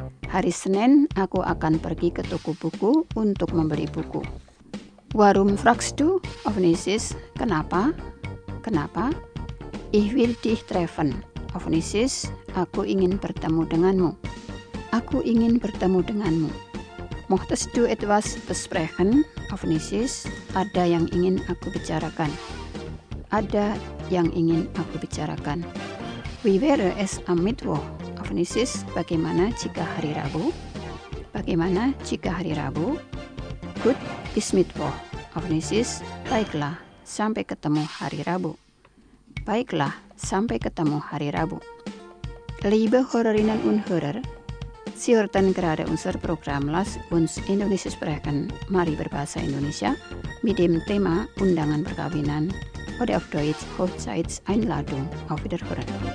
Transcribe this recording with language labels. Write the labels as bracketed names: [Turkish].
[Indonesian] Hari Senin aku akan pergi ke toko buku untuk membeli buku. [German] Warum fragst du? Ovenesis, [Indonesian] kenapa? Kenapa? [German] Ich will dich treffen. [Indonesian] Ovenesis, aku ingin bertemu denganmu. Aku ingin bertemu denganmu. [German] Möchtest du etwas besprechen? [Indonesian] Ovenesis, ada yang ingin aku bicarakan. Ada yang ingin aku bicarakan. [German] Wie wäre es am Mittwoch? Ovenesis, [Indonesian] bagaimana jika hari Rabu? Bagaimana jika hari Rabu? [German] Gut, bis Mittwoch. [Indonesian] Ovenesis, baiklah, sampai ketemu hari Rabu. Baiklah, sampai ketemu hari Rabu. [German] Liebe Hörerinnen und Hörer, Sie hörten gerade unser Programm Lass uns Indonesisch sprechen. [Indonesian] Mari berbahasa Indonesia [German] mit dem Thema [Indonesian] Undangan Perkawinan. [German] Oder auf Deutsch Hochzeitseinladung. Auf Wiederhören.